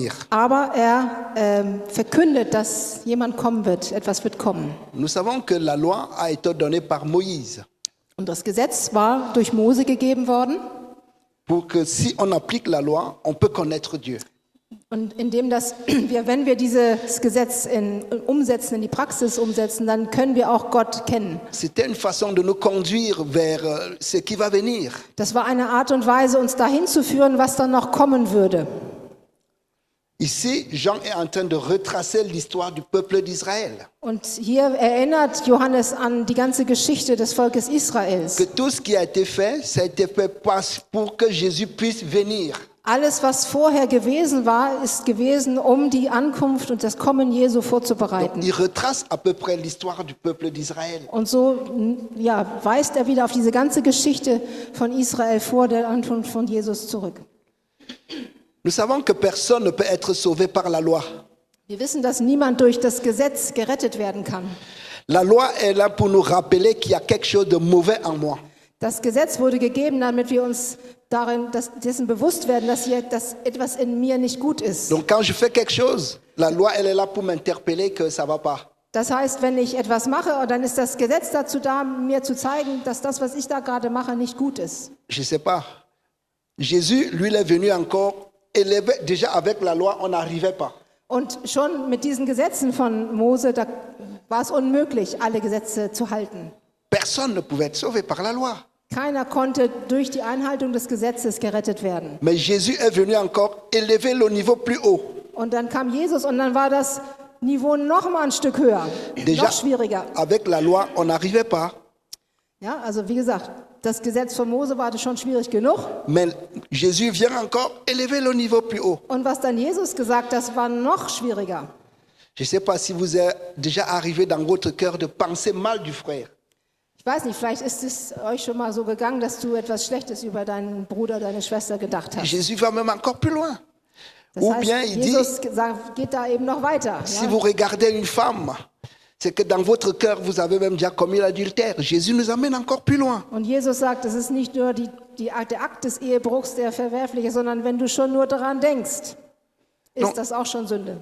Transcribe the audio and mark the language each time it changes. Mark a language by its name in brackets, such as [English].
[German] Aber er verkündet, dass jemand kommen wird, etwas wird kommen. [French] Nous savons que la loi a été donnée par Moïse. [German] Und das Gesetz war durch Mose gegeben worden. [French] Pour que si on applique la loi, on peut connaître Dieu. [German] Und indem dass wir, wenn wir dieses Gesetz umsetzen, in die Praxis umsetzen, dann können wir auch Gott kennen. [French] C'était une façon de nous conduire vers ce qui va venir. [German] Das war eine Art und Weise, uns dahin zu führen, was dann noch kommen würde. [French] Ici, Jean est en train de retracer l'histoire du peuple d'Israël. [German] Und hier erinnert Johannes an die ganze Geschichte des Volkes Israels. [French] Que tout ce qui a été fait, ça a été fait pour que Jésus puisse venir. [German] Alles, was vorher gewesen war, ist gewesen, um die Ankunft und das Kommen Jesu vorzubereiten. [French] Donc, il retrace à peu près l'histoire du peuple d'Israël. [German] Und so ja, weist er wieder auf diese ganze Geschichte von Israel vor der Ankunft von Jesus zurück. [French] Nous savons que personne ne peut être sauvé par la loi. [German] Wir wissen, dass niemand durch das Gesetz gerettet werden kann. [French] La loi est là pour nous rappeler qu'il y a quelque chose de mauvais en moi. [German] Das Gesetz wurde gegeben, damit wir uns darin, dass dessen bewusst werden, dass hier, dass etwas in mir nicht gut ist. [French] Donc quand je fais quelque chose, la loi elle est là pour m'interpeller que ça va pas. [German] Das heißt, wenn ich etwas mache, dann ist das Gesetz dazu da, mir zu zeigen, dass das, was ich da gerade mache, nicht gut ist. [French] Je sais pas. Jésus, lui, il est venu encore élevé. Déjà avec la loi, on n'arrivait pas. [German] Und schon mit diesen Gesetzen von Mose, da war es unmöglich, alle Gesetze zu halten. [French] Personne ne pouvait être sauvé par la loi. [German] Keiner konnte durch die Einhaltung des Gesetzes gerettet werden. [French] Mais Jésus est venu encore élever le niveau plus haut. [German] Und dann kam Jesus und dann war das Niveau noch mal ein Stück höher, [French] déjà, [German] noch schwieriger. [French] Avec la loi, on n'arrivait pas. [German] Ja, also wie gesagt, das Gesetz von Mose war schon schwierig genug. [French] Mais Jésus vient encore élever le niveau plus haut. [German] Und was dann Jesus gesagt, das war noch schwieriger. [French] Je sais pas si vous êtes déjà arrivé dans votre cœur de penser mal du frère. [German] Ich weiß nicht, vielleicht ist es euch schon mal so gegangen, dass du etwas Schlechtes über deinen Bruder, deine Schwester gedacht hast. [French] Jésus va même encore plus loin. [German] Das heißt, Jesus geht da eben noch weiter. [French] Si vous regardez une femme, c'est que dans votre cœur vous avez même déjà commis l'adultère. Jésus nous amène encore plus loin. [German] Und Jesus sagt, es ist nicht nur der Akt des Ehebruchs, der verwerfliche, sondern wenn du schon nur daran denkst, ist das auch schon Sünde.